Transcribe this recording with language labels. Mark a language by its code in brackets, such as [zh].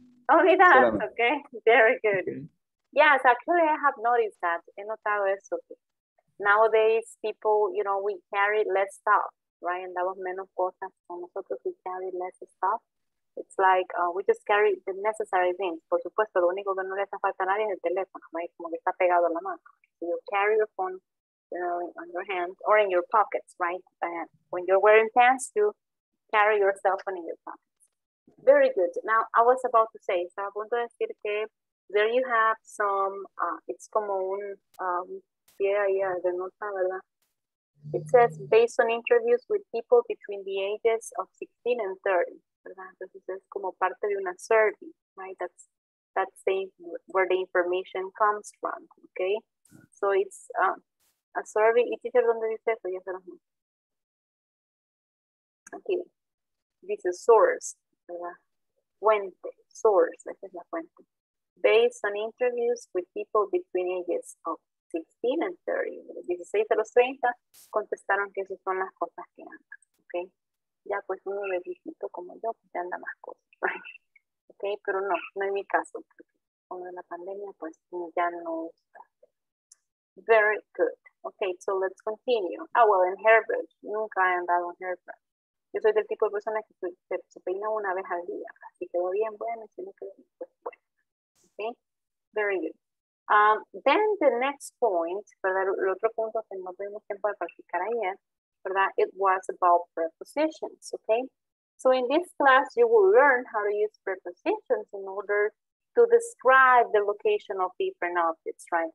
[en] Only that, solamente. Okay. Very good. Okay. Yes, actually I have noticed that. [es] He notado eso. [en] Nowadays people, you know, we carry less stuff, right? [es] Andamos menos cosas con nosotros, [en] we carry less stuff. It's like we just carry the necessary things. [es] Por supuesto, lo único que no le hace falta a nadie es el teléfono, ¿no? Como que está pegado a la mano. [en] So you carry your phone, you know, on your hand or in your pockets, right? And when you're wearing pants, you carry your cell phone in your pockets. Very good. Now, I was about to say, [es] estaba a punto de decir que [en] there you have some, it's [es] como un, [en] yeah, [es] de nota, [en] ¿verdad? It says, based on interviews with people between the ages of 16 and 30. [es] Entonces es como parte de una [en] survey, right? That's the, where the information comes from, okay? So it's a survey. [es] ¿Y teacher dónde dice eso? Ya se lo muestro. Aquí. Dice source, ¿verdad? Fuente, source, esa es la fuente. [en] Based on interviews with people between ages of 16 and 30. [es] 16 a los 30 contestaron que esas son las cosas que andan, okay? Ya pues uno de viejito como yo, pues ya anda más cosas, right? Okay, pero no, no es mi caso, porque con la pandemia, pues ya no está. [en] Very good. Okay, so let's continue. Ah, well, in hairbrush, [es] nunca he andado en [en] hairbrush. [es] Yo soy del tipo de persona que se peina una vez al día, así que voy bien, bueno, y si no quedo bien, pues bueno. [en] Okay, very good. Then the next point, ¿verdad? [es] El otro punto que no tuvimos tiempo de practicar ayer, ¿verdad? [en] It was about prepositions, okay? So in this class, you will learn how to use prepositions in order to describe the location of different objects, right?